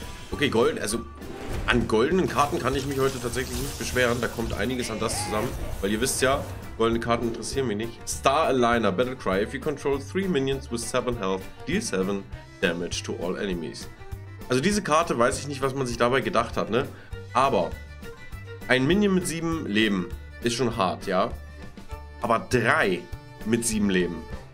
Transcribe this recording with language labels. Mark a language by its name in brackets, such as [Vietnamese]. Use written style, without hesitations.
[German] Okay, golden, also an goldenen Karten kann ich mich heute tatsächlich nicht beschweren. Da kommt einiges an das zusammen. Weil ihr wisst ja, goldene Karten interessieren mich nicht. [English] Star Aligner Battlecry. If you control 3 minions with 7 health, deal 7 damage to all enemies. [German] Also diese Karte, weiß ich nicht, was man sich dabei gedacht hat, ne? Aber ein Minion mit 7 Leben ist schon hart, ja? Aber 3 mit 7 Leben.